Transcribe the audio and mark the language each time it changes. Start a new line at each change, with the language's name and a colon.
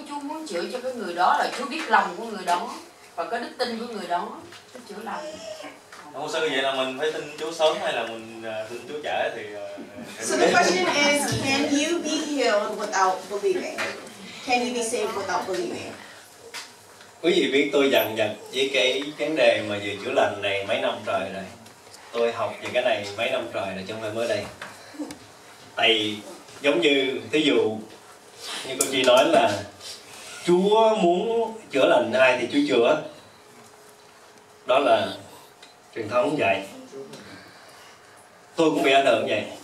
Vietnamese: Chúa muốn chữa cho cái người đó là Chúa biết lòng của người đó và có đức tin của người đó. Chúa chữa lành. Không sao, vậy là mình phải tin Chúa sớm hay là mình tin Chúa trễ thì...
English: So the question is, can you be healed without believing? Can you be saved without believing?
Vietnamese: Quý vị biết tôi dằn vặt với cái vấn đề mà về chữa lành này mấy năm trời rồi. Tôi học về cái này mấy năm trời rồi, trong mới đây. Tại giống như thí dụ như cô chị nói là Chúa muốn chữa lành ai thì Chúa chữa, đó là truyền thống vậy. Tôi cũng bị ảnh hưởng vậy.